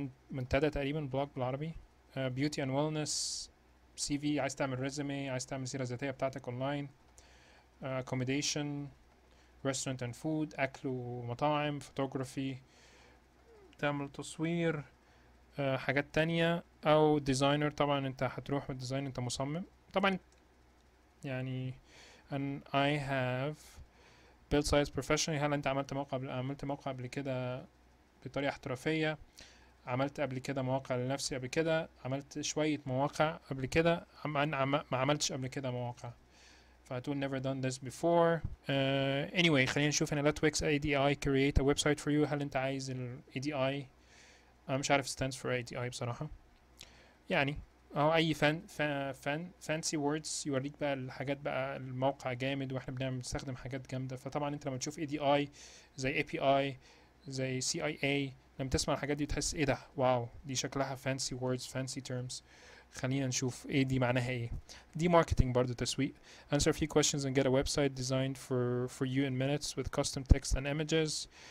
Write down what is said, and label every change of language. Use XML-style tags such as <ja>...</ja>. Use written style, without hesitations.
<ar>منتدى تقريبا، بلوج بالعربي،</ar> <en>beauty and wellness,</en> <ar>سي في، عايز تعمل ريزومي، عايز تعمل سيرة ذاتية بتاعتك اونلاين، اكوموديشن،</ar> <en>restaurant and food,</en> <ar>اكل ومطاعم، فوتوغرافي، تعمل تصوير، حاجات تانية، او ديزاينر. طبعا انت هتروح بالديزاين، انت مصمم طبعا يعني.</ar> <en>and I have built sites professionally.</en> <ar>هل انت عملت موقع قبل كده بطريقة احترافية؟ عملت قبل كده مواقع لنفسي قبل كده؟ عملت شوية مواقع قبل كده؟ ما عملتش قبل كده مواقع؟ فهتقول</ar> <en>never done this before.</en> <ar>anyway، خلينا نشوف هنا.</ar> <en>let Wix ADI create a website for you.</en> <ar>هل انت عايز ال ADI؟ انا مش عارف</ar> <en>stands for ADI</en> <ar>بصراحة، يعني أو أي</ar> <en>fancy words</en> <ar>يوريك بقى الحاجات، بقى الموقع جامد وإحنا بنستخدم حاجات جامدة. فطبعاً أنت لما تشوف ADI زي API زي CIA، لما تسمع الحاجات دي تحس إيه ده، واو، دي شكلها</ar> <en>fancy words fancy terms.</en> <ar>خلينا نشوف إيه دي، معناها إيه دي. marketing برضو تسويق.</ar> <en>answer a few questions and get a website designed for you in minutes with custom text and images.</en>